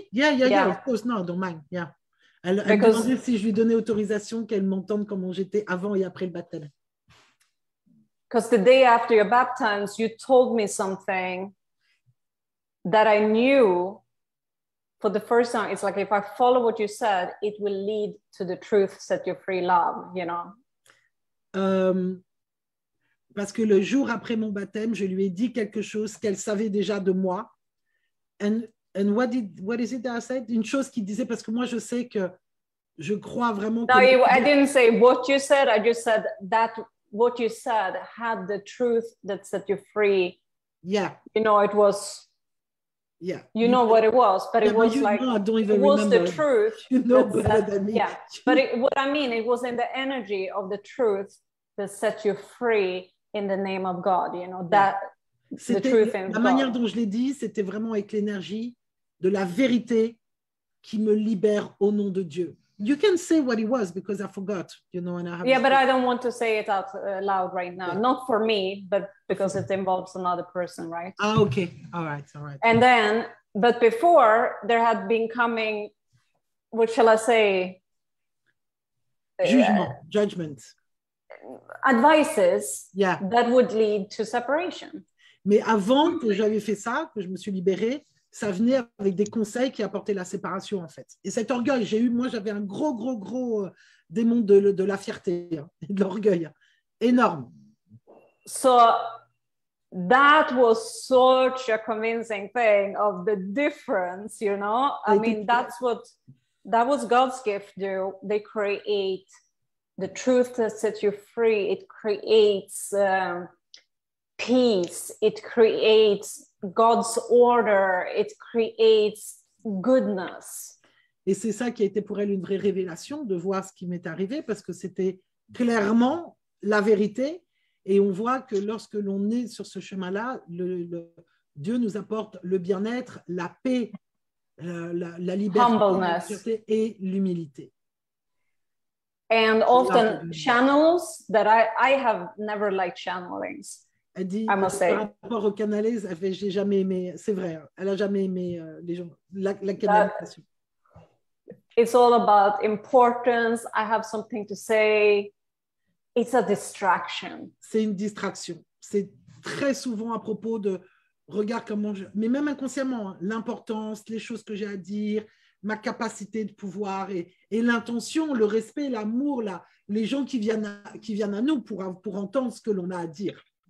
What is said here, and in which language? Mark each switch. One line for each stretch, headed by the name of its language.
English: Yeah, of course, no, I don't mind, yeah.
French: Elle demandait si je lui donnais autorisation qu'elle m'entende comment j'étais avant et après le baptême.
English: Because the day after your baptize, you told me something that I knew for the first time. It's like, if I follow what you said, it will lead to the truth, set you free, love, you know?
French: parce que le jour après mon baptême, je lui ai dit quelque chose qu'elle savait déjà de moi.
English: And what is it that I said?
French: Une chose qu'il disait, parce que moi, je sais que je crois vraiment que...
English: No, I didn't say what you said. I just said that what you said had the truth that set you free. Yeah. You know, it was... Yeah. You know what it was, but it was like, I don't even it was remember. The truth. You know better that, than me. Yeah. But it was in the energy of the truth that set you free in the name of God, you know, that
French: c'était,
English: the truth in God.
French: La manière dont je l'ai dit, c'était vraiment avec l'énergie de la vérité qui me libère au nom de Dieu.
English: You can say what it was because I forgot, you know, and I have. Yeah, but I don't want to say it out loud right now. Yeah. Not for me, but because it involves another person, right? Ah, okay. All right. And then, but before there had been coming, what shall I say? Judgment. Advices. Yeah. That would lead to separation.
French: Mais avant que j'avais fait ça, que je me suis libérée. Ça venait avec des conseils qui apportaient la séparation, en fait. Et cet orgueil, j'avais un gros démon de la fierté, hein, de l'orgueil, énorme.
English: So, that was such a convincing thing of the difference, you know? I mean, that's what, that was God's gift, though. They create the truth that sets you free. It creates peace. It creates... God's order, it creates goodness.
French: Et c'est ça qui a été pour elle une vraie révélation de voir ce qui m'est arrivé parce que c'était clairement la vérité. Et on voit que lorsque l'on est sur ce chemin-là, Dieu nous apporte le bien-être, la paix, la liberté,
English: humbleness.
French: La liberté et l'humilité.
English: And often channels that I have never liked channelings.
French: Elle dit, par rapport aux canalés, elle fait, j'ai jamais aimé, c'est vrai, elle a jamais aimé les gens, la canalisation.
English: It's all about importance, I have something to say, it's a distraction.
French: C'est une distraction, c'est très souvent à propos de, regarde comment je, mais même inconsciemment, hein, l'importance, les choses que j'ai à dire, ma capacité de pouvoir et l'intention, le respect, l'amour, les gens qui viennent à nous pour entendre ce que l'on a à dire.